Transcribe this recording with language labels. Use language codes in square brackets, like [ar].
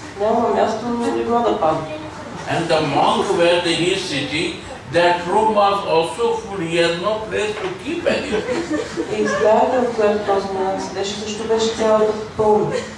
[bg] Няма място на легло да пада. [en] And the monk where they is sitting, that room was also full, he has no place to keep anything. [bg] И сградата, в която този монах седеше, също беше цялата пълна.